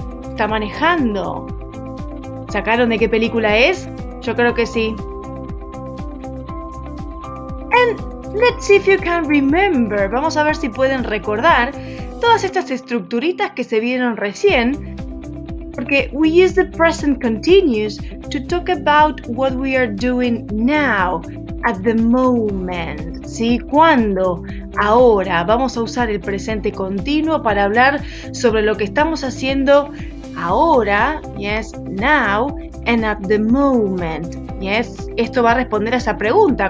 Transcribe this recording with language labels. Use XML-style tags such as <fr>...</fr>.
<es>Está manejando. ¿Sacaron de qué película es? Yo creo que sí.</es> <en>And let's see if you can remember.</en> <es>Vamos a ver si pueden recordar todas estas estructuritas que se vieron recién. Porque</es> <en>we use the present continuous to talk about what we are doing now, at the moment.</en> <es>¿Sí? ¿Cuándo? Ahora. Vamos a usar el presente continuo para hablar sobre lo que estamos haciendo ahora.</es> <en>Yes, now and at the moment. Yes,</en> <es>esto va a responder a esa pregunta.</es>